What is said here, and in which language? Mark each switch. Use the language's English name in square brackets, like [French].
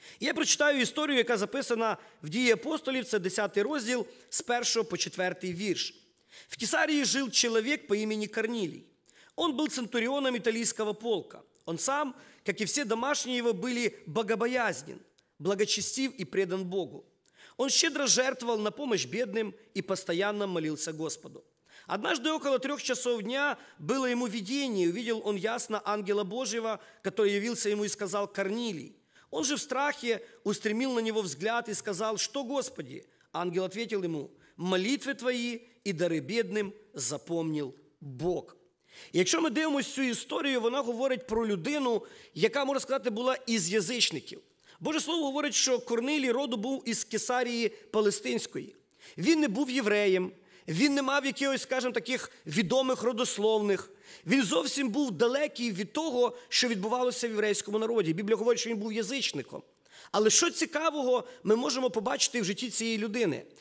[Ukrainian] Я прочитаю історію, яка записана в Дії апостолів, це 10 розділ, з 1 по 4 вірш. В Кесарії жив чоловік по імені Корнилій. Он був центуріоном італійського полка. Он сам, як і всі домашні його, були [Russian] богобоязнен, благочестив [Ukrainian] і предан Богу. [Russian] Он щедро жертвовал на помощь бедным и постоянно молился Господу. Однажды около 3 часов дня было ему видение, и увидел он ясно ангела Божьего, который явился ему и сказал: «Корнилий». Он же в страхе устремил на него взгляд и сказал: «Что, Господи?» Ангел ответил ему: «Молитвы твои и дары бедным запомнил Бог». И если мы [Ukrainian] дивимося цю [Russian] историю, она говорит про людину, яка, можно сказать, была из язычников. [Ukrainian] Боже Слово говорить, що Корнилій роду був із Кесарії Палестинської. Він не був євреєм, він не мав якихось, скажімо, таких відомих родословних. Він зовсім був далекий від того, що відбувалося в єврейському народі. Біблія говорить, що він був язичником. Але що цікавого ми можемо побачити в житті цієї людини?